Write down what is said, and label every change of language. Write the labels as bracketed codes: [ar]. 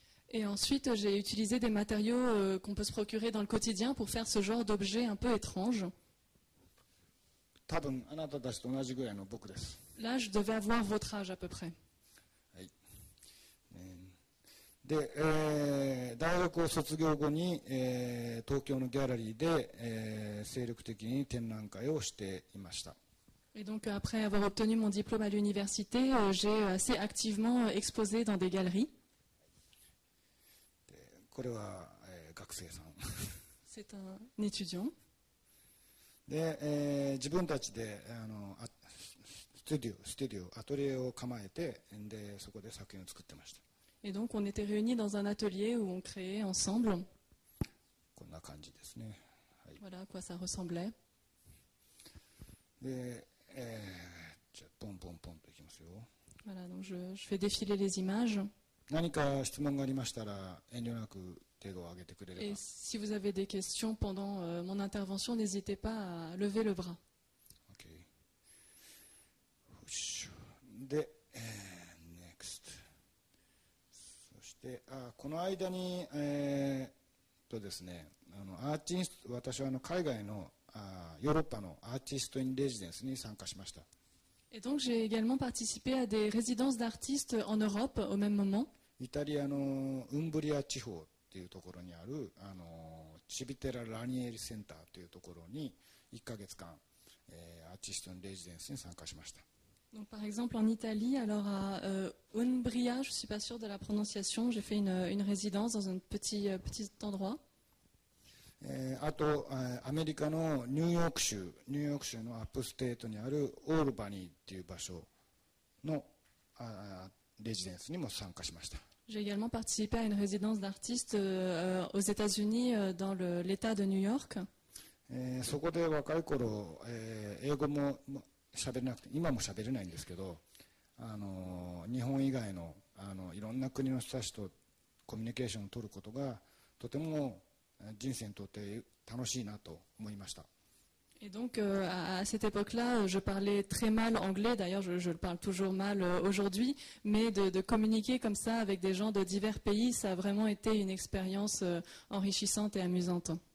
[fr] Et ensuite j'ai utilisé des matériaux qu'on peut se procurer dans le quotidien pour faire ce genre d'objet un peu étrange. [ja] 多分あなたたちと同じぐらいの僕です。 [fr] Là, je devais avoir votre âge à peu près. [ja] はい。で、大学を卒業後に、東京のギャラリーで、精力的に展覧会をしていました。 [fr] Et donc après avoir obtenu mon diplôme à l'université, j'ai assez activement exposé dans des galeries. [ja] で、これは、学生さん。 [fr] C'est un étudiant. [ja] で、自分たちで、あの、スタジオ、アトリエを構えて、で、そこで作品を作ってました。 [fr] Et donc, on était réunis dans un atelier où on créait ensemble. [ja] こんな感じですね。はい。 [fr] Voilà à quoi ça ressemblait. [ja] で、じゃあ、ポンポンポンといきますよ。 [fr] Voilà, donc je fais défiler les images. [ja] 何か質問がありましたら、遠慮なく。 [fr] Et si vous avez des questions pendant mon intervention, n'hésitez pas à lever le bras. [en] Ok. De, next. [ja] そしてあこの間に、ですねあのアーティスト私はあの海外のあーヨーロッパのアーティストインレジデンスに参加しました。 [fr] Et donc j'ai également participé à des résidences d'artistes en Europe au même moment. [ja] イタリアのウンブリア地方というところにあるあのチビテラ・ラニエリセンターというところに1ヶ月間、アーティストのレジデンスに参加しました。 [fr] Donc, par exemple, en Italie, alors à Umbria, je suis pas sûr de la prononciation, j'ai fait une résidence dans un petit endroit. [ja] あと、アメリカのニューヨーク州のアップステートにあるオールバニーという場所のレジデンスにも参加しました。 [fr] J'ai également participé à une résidence d'artiste aux États-Unis dans l'État de New York. [ja] そこで若い頃、英語も喋れなくて、今も喋れないんですけど、あの日本以外の、あのいろんな国の人たちとコミュニケーションを取ることがとても人生にとって楽しいなと思いました。 [fr] Et donc, à cette époque-là, je parlais très mal anglais. D'ailleurs, je le parle toujours mal aujourd'hui. Mais de communiquer comme ça avec des gens de divers pays, ça a vraiment été une expérience enrichissante et amusante.